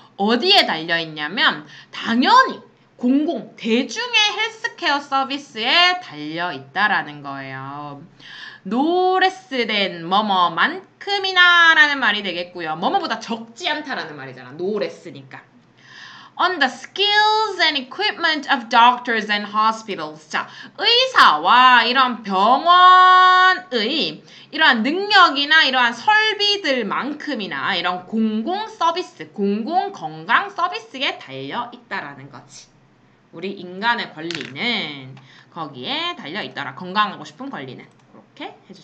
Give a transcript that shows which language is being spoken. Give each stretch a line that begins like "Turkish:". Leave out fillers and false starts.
Korean: 어디에 달려있냐면, 당연히 공공, 대중의 헬스케어 서비스에 달려있다라는 거예요. 노레스된 뭐뭐만큼이나라는 말이 되겠고요. 뭐뭐보다 적지 않다라는 말이잖아. 노레스니까.
English: On the skills and equipment of doctors and hospitals.
Korean: 자, 의사와 이런 병원의 이러한 능력이나 이러한 설비들만큼이나 이런 공공 서비스, 공공 건강 서비스에 달려 있다라는 거지. 우리 인간의 권리는 거기에 달려 있더라. 건강하고 싶은 권리는. 이렇게 해주시면.